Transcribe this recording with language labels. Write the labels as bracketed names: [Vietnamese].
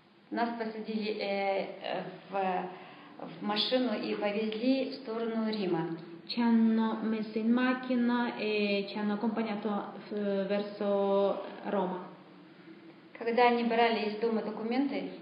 [Russian] Нас посадили в машину и повезли в сторону Рима. [Italian] Ci hanno messo in macchina e ci hanno accompagnato verso Roma. [Russian] Когда они брали из дома документы?